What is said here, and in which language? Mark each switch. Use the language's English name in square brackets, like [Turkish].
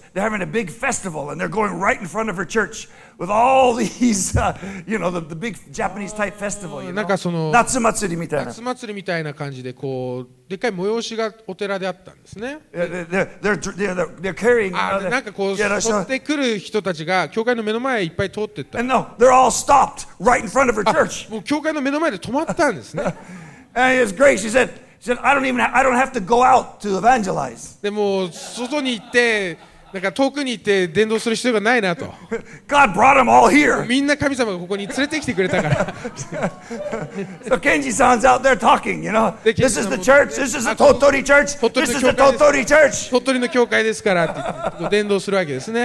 [English] They're having a big festival and they're going right in front of her church with all these, you know, the big Japanese type festival. You know? [Japanese] 夏祭りみたいな。夏祭りみたいな感じでこうでっかい催しがお寺であったんですね。 [English] They're carrying. [Japanese] なんかこう取ってくる人たちが教会の目の前いっぱい通ってった。 [English] And no, they're all stopped right in front of her church. [Japanese] もう教会の目の前で止まったんですね。 [English] And it's great. She said. She said, I don't have to go out to evangelize. [Japanese] でも外に行って、なんか遠くに行って伝道する必要がないなと。 [English] God brought them all here. [Japanese] みんな神様がここに連れてきてくれたから。 [English] So Kenji-san's out there talking, you know. This is the church. This is the Tottori church. This is the Tottori church. [Japanese] 鳥取の教会ですからって伝道するわけですね。